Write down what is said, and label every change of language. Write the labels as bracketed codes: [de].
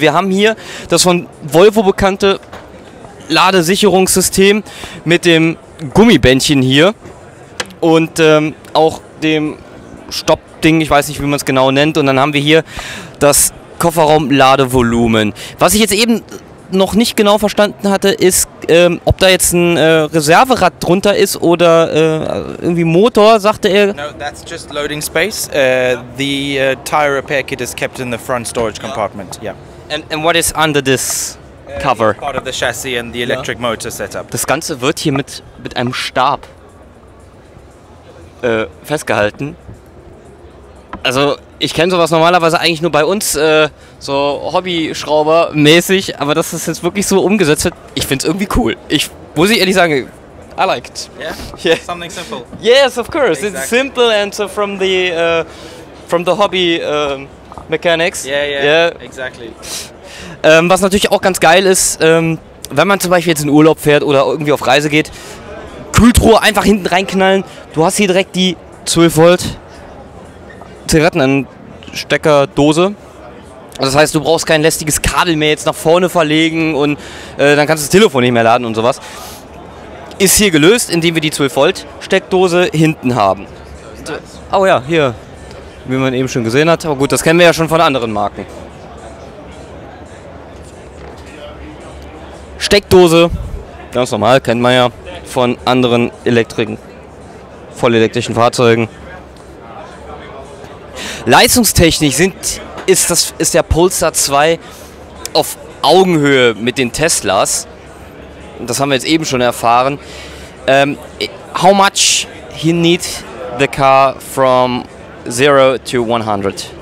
[de] Wir haben hier das von Volvo bekannte Ladesicherungssystem mit dem Gummibändchen hier und auch dem Stoppding, ich weiß nicht, wie man es genau nennt. Und dann haben wir hier das Kofferraum-Ladevolumen. Was ich jetzt eben noch nicht genau verstanden hatte, ist, ob da jetzt ein Reserverad drunter ist oder irgendwie Motor, sagte er. [en] No, that's just loading space. The tire repair kit is kept in the front storage compartment. Yeah. And what is under this cover? Part of the chassis and the electric motor setup. [de] Das Ganze wird hier mit einem Stab festgehalten. Also, ich kenne sowas normalerweise eigentlich nur bei uns, so Hobby-Schrauber-mäßig, aber dass das jetzt wirklich so umgesetzt wird, ich finde es irgendwie cool. Ich muss ich ehrlich sagen, [en] I like it. Yeah? Yeah. Something simple. Yes, of course. Exactly. It's simple and so from the hobby mechanics. Yeah. Exactly. [de] Was natürlich auch ganz geil ist, wenn man zum Beispiel jetzt in Urlaub fährt oder irgendwie auf Reise geht, Kühltruhe einfach hinten reinknallen. Du hast hier direkt die 12 Volt. Zigarettensteckerdose. Das heißt, du brauchst kein lästiges Kabel mehr jetzt nach vorne verlegen und dann kannst du das Telefon nicht mehr laden und sowas. Ist hier gelöst, indem wir die 12 Volt Steckdose hinten haben. Oh ja, hier. Wie man eben schon gesehen hat. Aber gut, das kennen wir ja schon von anderen Marken. Steckdose. Ganz normal, kennt man ja von anderen elektrischen, vollelektrischen Fahrzeugen. Leistungstechnisch ist der Polestar 2 auf Augenhöhe mit den Teslas. Das haben wir jetzt eben schon erfahren. [en] How much he need the car from 0 to 100?